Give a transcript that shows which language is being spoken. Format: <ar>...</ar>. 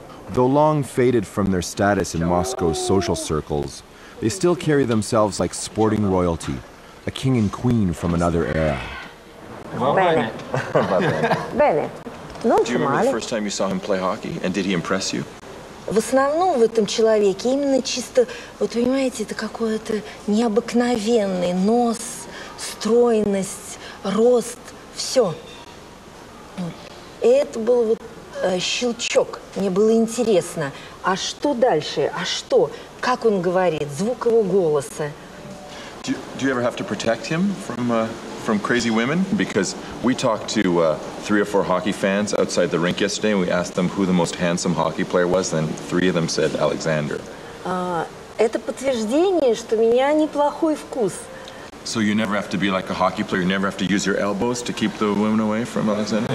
<en>Though long faded from their status in Moscow's social circles, they still carry themselves like sporting royalty, a king and queen from another era. Bene. Bene. Do you remember the first time you saw him play hockey, and did he impress you?</en> <ru>В основном в этом человеке именно чисто, вот понимаете, это какой-то необыкновенный нос, стройность, рост, все. Это был вот щелчок. Мне было интересно, а что дальше? А что? Как он говорит? Звук его голоса.</ru> <en>Do you ever have to protect him from crazy women? Because we talked to three or four hockey fans outside the rink yesterday, and we asked them who the most handsome hockey player was, and three of them said Alexander.</en> <ru>Это подтверждение, что у меня неплохой вкус.</ru> <en>So you never have to be like a hockey player, you never have to use your elbows to keep the women away from Alexander?</en>